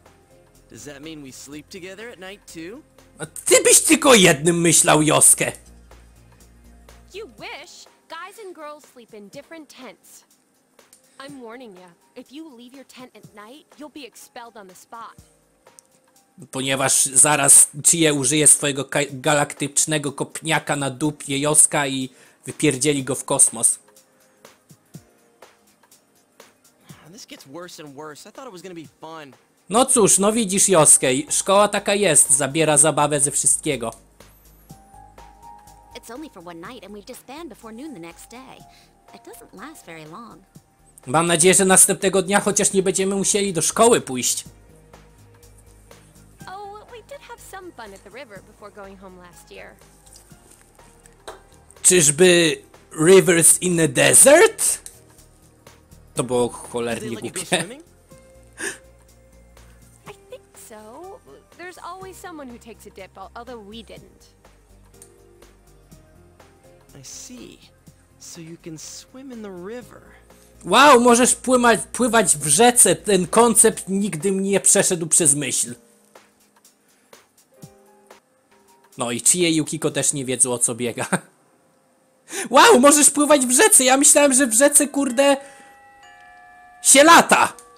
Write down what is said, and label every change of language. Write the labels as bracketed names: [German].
[Polish] Uh-oh. A ty byś tylko jednym myślał, Josuke. [English] You wish. Guys and girls sleep in different tents. I'm warning you. If you leave your tent at night, you'll be expelled on the spot. [Polish] Ponieważ zaraz Chie użyje swojego galaktycznego kopniaka na dupie Josuke i wypierdzieli go w kosmos. [English] This gets worse and worse. I thought it was gonna be fun. [Polish] No cóż, no widzisz, Josuke, szkoła taka jest, zabiera zabawę ze wszystkiego. [English] It's only for one night and we disband before noon the next day. It doesn't last very long. [Polish] Mam nadzieję, że następnego dnia chociaż nie będziemy musieli do szkoły pójść. [English] Oh, we did have some fun at the river before going home last year. [Polish] Czyżby Rivers in the Desert? To było cholernie głupie. [English] I think so. There's always someone who takes a dip, although we didn't. I see. So you can swim in the river. [Polish] Wow, możesz pływać w rzece. Ten koncept nigdy mnie nie przeszedł przez myśl. No i Chie i Yukiko też nie wiedzą, o co biega. Wow, możesz pływać w rzece. Ja myślałem, że w rzece, kurde, się lata.